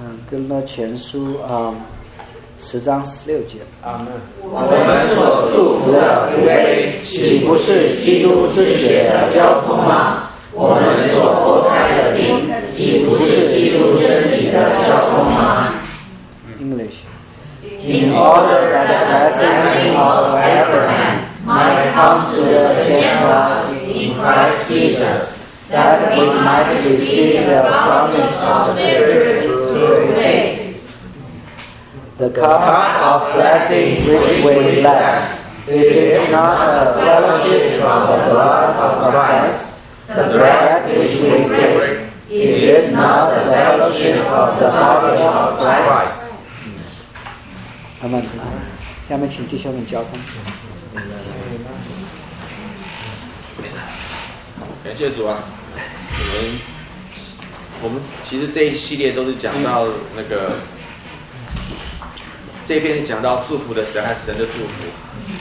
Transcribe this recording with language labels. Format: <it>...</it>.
<zh>哥林多前书十章十六节。我们所祝福的福杯，岂不是基督之血的交通吗？我们所擘开的饼，岂不是基督身体的交通吗？</zh> <en>English. In order that the blessing of Abraham might come to the Gentiles in Christ Jesus, that we might receive the promise of Spirit through faith. The cup of blessing which we bless, is it not a fellowship from the blood of Christ? The bread which we break, is it not the fellowship of the body of Christ?</en> <zh>他们来，下面请弟兄们交通。感谢主啊，我们其实这一系列都是讲到那个，这边是讲到祝福的神和神的祝福。</zh>